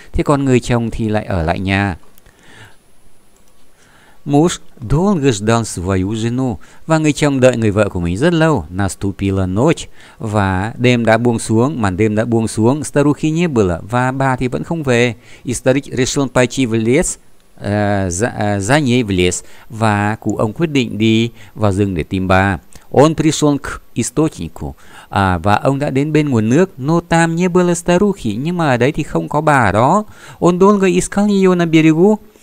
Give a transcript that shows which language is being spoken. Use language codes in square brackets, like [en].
[vi] Thế còn người chồng thì lại ở lại nhà. [ru] Муж долго ждал свою жену. [vi] Và người chồng đợi người vợ của mình rất lâu. [ru] Наступила ночь. [vi] Và đêm đã buông xuống. Màn đêm đã buông xuống. [ru] Старухи не было. [vi] Và bà thì vẫn không về. [ru] И старик решил пойти в лес. За ней в лес. [vi] Và cụ ông quyết định đi vào rừng để tìm bà. [ru] Он пришел к источнику. [vi] À, và ông đã đến bên nguồn nước. [ru] Но там не было старухи. [vi] Nhưng mà ở đấy thì không có bà đó. [ru] Он долго искал её на берегу.